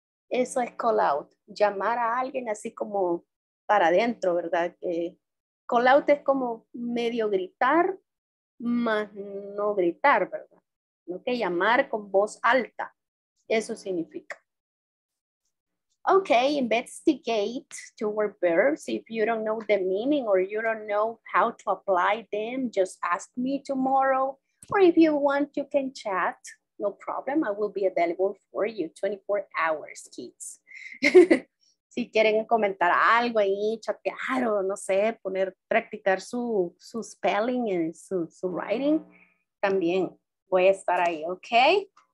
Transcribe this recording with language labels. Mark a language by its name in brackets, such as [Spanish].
[Spanish] Eso es call out, llamar a alguien así como para adentro, ¿verdad? Call out es como medio gritar, más no gritar, ¿verdad? No que llamar con voz alta, eso significa. [English] Okay, investigate two-word verbs. If you don't know the meaning or you don't know how to apply them, just ask me tomorrow. Or if you want, you can chat. No problem. I will be available for you 24 hours, kids. [Spanish] Si quieren comentar algo ahí, chatear o no sé, poner, practicar su spelling y su writing, también voy a estar ahí, okay?